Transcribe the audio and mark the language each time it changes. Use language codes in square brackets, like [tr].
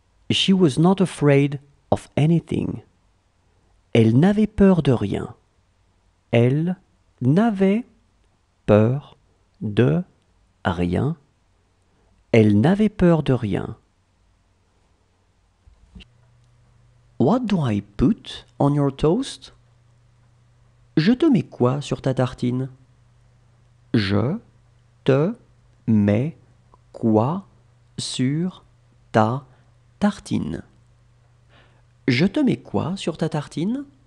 [en] She was not afraid of anything. [fr] Elle n'avait peur de rien. Elle n'avait peur de rien. Elle n'avait peur de rien. [en] What do I put on your toast? [fr] Je te mets quoi sur ta tartine? Je te mets quoi sur ta tartine? Je te mets quoi sur ta tartine?